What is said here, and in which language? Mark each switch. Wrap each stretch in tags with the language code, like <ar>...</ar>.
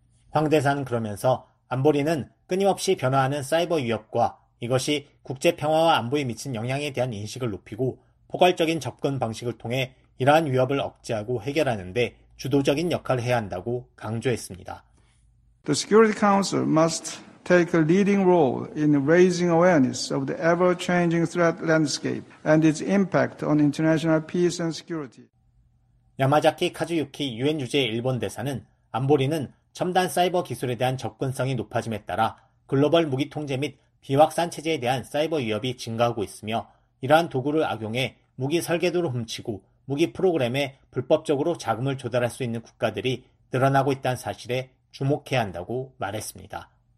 <ko>황 대사는 그러면서 안보리는 끊임없이 변화하는 사이버 위협과 이것이 국제 평화와 안보에 미친 영향에 대한 인식을 높이고 포괄적인 접근 방식을 통해 이러한 위협을 억제하고 해결하는 데 주도적인 역할을 해야 한다고 강조했습니다.</ko> <en>The Security Council must take a leading role in raising awareness of the ever-changing threat landscape and its impact on international peace and security.</en> <ko>야마자키 카즈유키 유엔 주재 일본 대사는 안보리는 첨단 사이버 기술에 대한 접근성이 높아짐에 따라 글로벌 무기 통제 및 비확산 체제에 대한 사이버 위협이 증가하고 있으며 이러한 도구를 악용해 무기 설계도를 훔치고 무기 프로그램에 불법적으로 자금을 조달할 수 있는 국가들이 늘어나고 있다는 사실에 주목해야 한다고 말했습니다.</ko>